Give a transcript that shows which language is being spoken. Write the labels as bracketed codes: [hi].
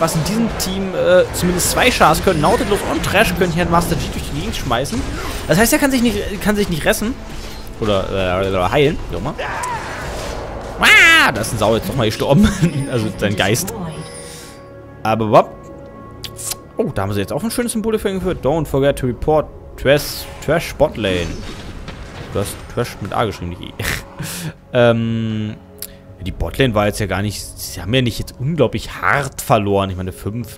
[de] Was in diesem Team zumindest zwei Chars können. Nautilus und Trash können hier Master G durch die Gegend schmeißen. Das heißt, er kann sich nicht ressen. Oder heilen. Wie auch immer. Da ist ein Sau jetzt nochmal gestorben. Also sein Geist. Aber wop. Oh, da haben sie jetzt auch ein schönes Symbol dafür geführt. [en] Don't forget to report Trash Botlane. [de] Du hast Trash mit A geschrieben, nicht E. die Botlane war jetzt ja gar nicht. Sie haben ja nicht jetzt unglaublich hart verloren. Ich meine, 5.